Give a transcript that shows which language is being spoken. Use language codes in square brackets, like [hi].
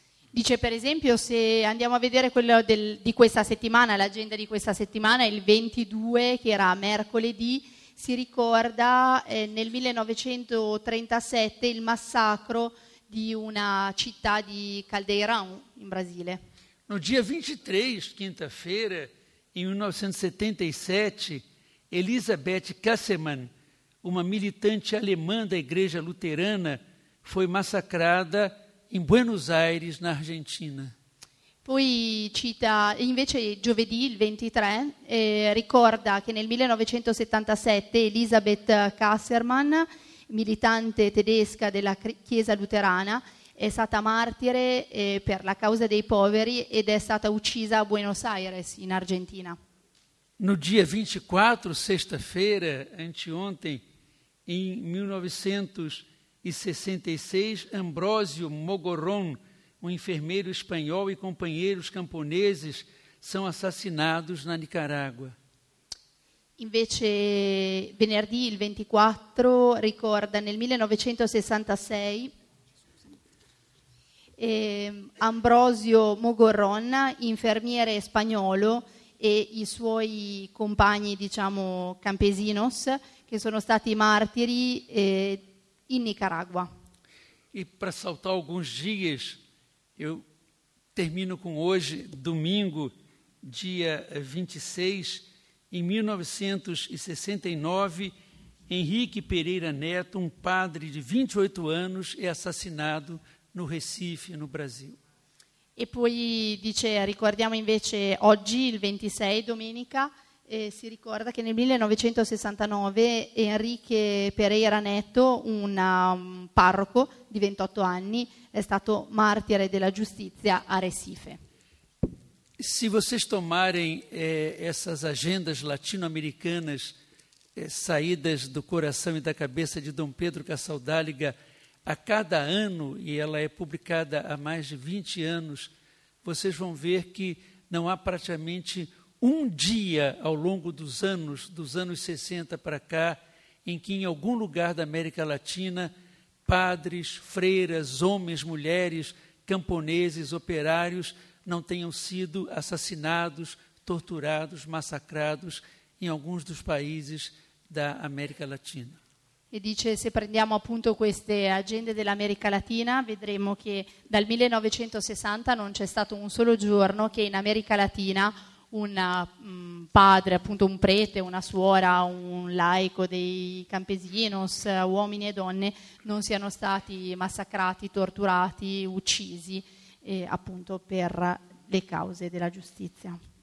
[it] Dice, per esempio, se andiamo a vedere quello di questa settimana, l'agenda di questa settimana, il 22, che era mercoledì, si ricorda nel 1937 il massacro di una città di Caldeirão, in Brasile. [pt] No dia 23, quinta-feira, em 1977, Elisabeth Kassemann, uma militante alemã da Igreja Luterana, foi massacrada em Buenos Aires, na Argentina. [it] Poi cita, invece giovedì, il 23, ricorda che nel 1977 Elisabeth Kassemann, militante tedesca della Chiesa Luterana, è stata martire per la causa dei poveri ed è stata uccisa a Buenos Aires, in Argentina. [pt] No dia 24, sexta-feira, anteontem, em 1966, Ambrósio Mogorón, um enfermeiro espanhol e companheiros camponeses, são assassinados na Nicarágua. [it] Invece, venerdì, il 24, ricorda nel 1966 Ambrosio Mogorón, infermiere spagnolo, e i suoi compagni, diciamo, campesinos, che sono stati martiri in Nicaragua. E per saltare alcuni dias, io termino con oggi, [pt] domingo, dia 26, em 1969, Henrique Pereira Neto, um padre de 28 anos, é assassinado no Recife, no Brasil. [it] E poi dice, ricordiamo invece oggi, il 26, domenica, si ricorda che nel 1969 Henrique Pereira Neto, un parroco di 28 anni, è stato martire della giustizia a Recife. [pt] Se vocês tomarem essas agendas latino-americanas saídas do coração e da cabeça de Dom Pedro Casaldáliga a cada ano, e ela é publicada há mais de 20 anos, vocês vão ver que não há praticamente um dia ao longo dos anos 60 para cá, em que em algum lugar da América Latina, padres, freiras, homens, mulheres, camponeses, operários, não tenham sido assassinados, torturados, massacrados em alguns dos países da América Latina. [it] E dice, se prendiamo appunto queste agende dell'America Latina, vedremo che dal 1960 non c'è stato un solo giorno che in America Latina un padre, appunto un prete, una suora, un laico dei campesinos, uomini e donne, non siano stati massacrati, torturati, uccisi, appunto per le cause della giustizia.